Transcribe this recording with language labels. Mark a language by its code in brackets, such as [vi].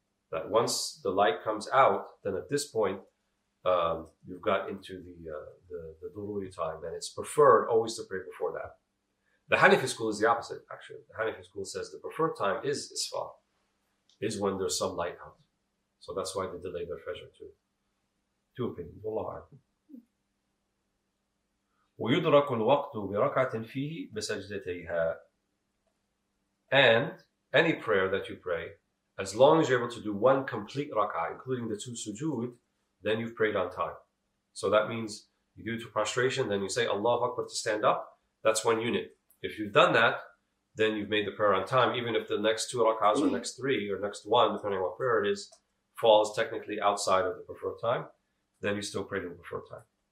[en] That once the light comes out, then at this point, you've got into the duruy time, and it's preferred always to pray before that. The Hanafi school is the opposite, actually. The Hanafi school says the preferred time is isfar, is when there's some light out. So that's why they delay their fajr too. Two opinions. Wallahu a'lam. [ar] ويدرك الوقت بركعة فيه بسجدتيها. [en] And any prayer that you pray, as long as you're able to do one complete rak'ah, including the two sujood, then you've prayed on time. So that means you do it to prostration, then you say Allahu Akbar to stand up, that's one unit. If you've done that, then you've made the prayer on time, even if the next two rak'ahs or next three or next one, depending on what prayer it is, falls technically outside of the preferred time, then you still prayed in the preferred time.